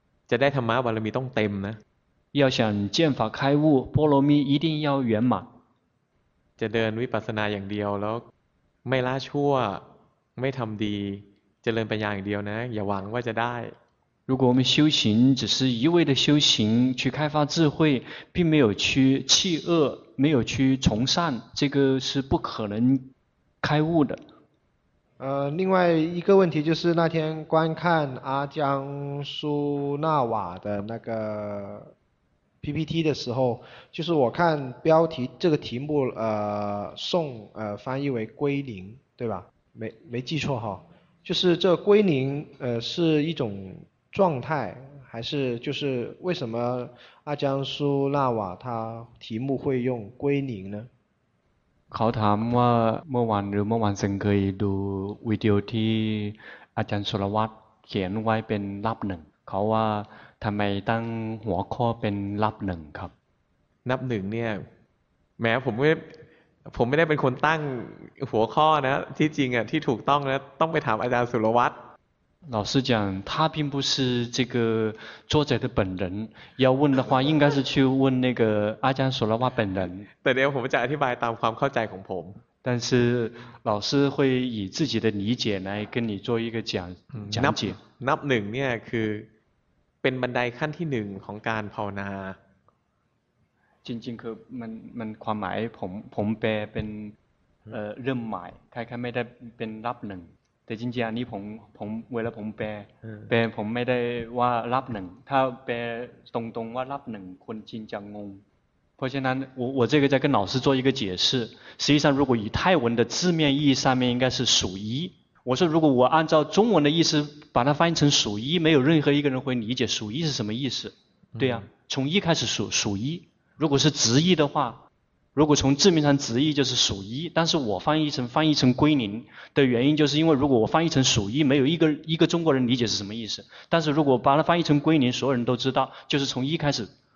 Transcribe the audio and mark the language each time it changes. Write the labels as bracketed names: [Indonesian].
[Thai] จะได้ธรรมะบารมีต้องเต็มนะ [Chinese] 要想见法开悟波罗蜜一定要圆满 [Thai] จะเดินวิปัสสนาอย่างเดียวแล้วไม่ละชั่วไม่ทำดีจะเจริญปัญญาอย่างเดียวนะอย่าหวังว่าจะได้ [Chinese] 如果我们修行只是一味的修行去开发智慧并没有去弃恶没有去从善这个是不可能开悟的另外一个问题就是那天观看阿江苏纳瓦的那个 PPT 的时候就是我看标题这个题目宋翻译为归宁对吧没记错哈就是这归宁是一种状态还是就是为什么阿江苏纳瓦他题目会用归宁呢 [Thai] เขาถามว่าเมื่อวันหรือเมื่อวันสังเคยดูวิดีโอที่อาจารย์สุรวัตรเขียนไว้เป็นลับหนึ่งเขาว่าทำไมตั้งหัวข้อเป็นลับหนึ่งครับ นับหนึ่งเนี่ยแม้ผมไม่ได้เป็นคนตั้งหัวข้อนะที่จริงอ่ะที่ถูกต้องนะต้องไปถามอาจารย์สุรวัตร [Chinese] 老师讲他并不是这个作者的本人要问的话应该是去问那个阿江索拉瓦本人 [Thai] แต่เดี๋ยวผมจะอธิบายตามความเข้าใจของผม [Chinese] 但是老师会以自己的理解来跟你做一个讲解 [Thai] นับหนึ่งเนี่ยคือเป็นบันไดขั้นที่หนึ่งของการภาวนา จริงๆคือมันความหมายผมแปลเป็นเริ่มใหม่คล้ายๆไม่ได้เป็นรับหนึ่งแต่จริงๆอันนี้ผมเวลาผมแปลผมไม่ได้ว่ารับหนึ่งถ้าแปลตรงๆว่ารับหนึ่งคนจีนจะงงเพราะฉะนั้น [Chinese] 我这个在跟老师做一个解释实际上如果以泰文的字面意义上面应该是数一我说如果我按照中文的意思把它翻译成数一没有任何一个人会理解数一是什么意思对呀、啊，从一开始数一，如果是执一的话，如果从字面上执一就是数一，但是我翻译成归零的原因，就是因为如果我翻译成数一，没有一个中国人理解是什么意思，但是如果把它翻译成归零，所有人都知道就是从一开始。